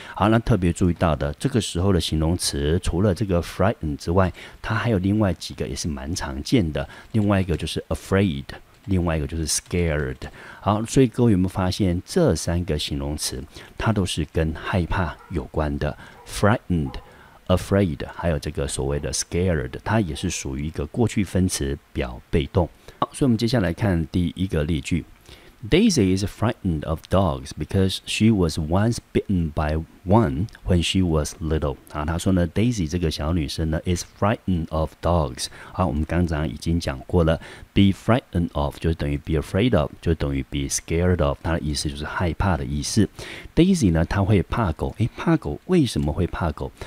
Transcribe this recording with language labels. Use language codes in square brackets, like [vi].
[zh] 好，那特别注意到的，这个时候的形容词除了这个 frighten 之外，它还有另外几个也是蛮常见的，另外一个就是 afraid， 另外一个就是 scared。好，所以各位有没有发现这三个形容词它都是跟害怕有关的， frightened、afraid 还有这个所谓的 scared， 它也是属于一个过去分词表被动。好，所以我们接下来看第一个例句。 [en] Daisy is frightened of dogs because she was once bitten by one when she was little。 [zh] 好，她说呢 Daisy 这个小女生呢 [en] is frightened of dogs。 [zh] 好，我们刚才已经讲过了， be frightened of 就等于 be afraid of， 就等于 be scared of， 她的意思就是害怕的意思。 Daisy 呢她会怕狗，诶，怕狗，为什么会怕狗？